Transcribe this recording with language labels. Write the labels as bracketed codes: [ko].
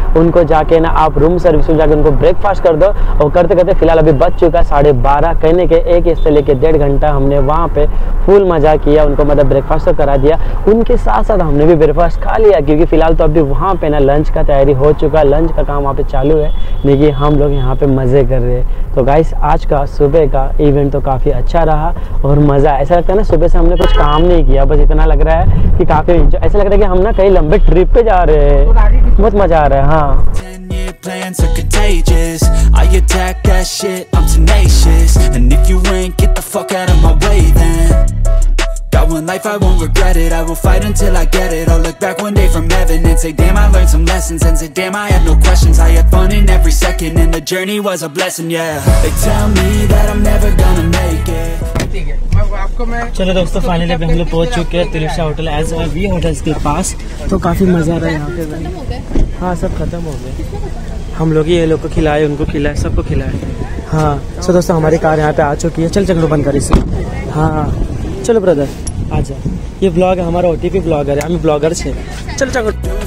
[hi] उनको जाके ना आप रूम सर्विस में जाके उनको ब्रेकफास्ट कर दो। और करते करते फिलहाल अभी बज चुका है 12:30, कहने के एक हिस्से लेके 1.5 घंटा हमने वहाँ पे फुल मजा किया, उनको मतलब ब्रेकफास्ट तो करा दिया, उनके साथ साथ हमने भी ब्रेकफास्ट खा लिया, क्योंकि फिलहाल तो अभी वहाँ पे ना लंच का तैयारी हो चुका है, लंच का काम वहाँ पे चालू है, लेकिन हम लोग यहाँ पे मज़े कर रहे हैं। तो गाइस आज का सुबह का इवेंट तो काफ़ी अच्छा रहा और मज़ा, ऐसा लगता है ना सुबह से हमने कुछ काम नहीं किया, बस इतना लग रहा है कि काफ़ी इंजॉय, ऐसा लग रहा है कि हम ना कहीं लंबे ट्रिप पे जा रहे हैं, बहुत मज़ा आ रहा है। [en] हाँ plans are contagious, I attack that shit, I'm tenacious, and if you ain't get the fuck out of my way then, got one life I won't regret it, I will fight until I get it, I'll look back one day from heaven and say damn I learned some lessons, and say damn I had no questions, I had fun in every second, and the journey was a blessing, yeah, they tell me that I'm never gonna make it. [hi] चलो दोस्तों finally अभी हम लोग पहुंच चुके हैं Trisha hotel as well we hotels के पास, तो काफ़ी मज़ा आ रहा है यहाँ पे। हाँ सब खत्म हो गए, हम लोग ही ये लोग को खिलाए, उनको खिलाए, सबको खिलाए। हाँ सो दोस्तों हमारी कार यहाँ पे आ चुकी है, चल चलो बंद कर इसे। हाँ चलो ब्रदर आ जा, ये ब्लॉग है हमारा, OTP ब्लॉगर है, हम ब्लॉगर छे, चल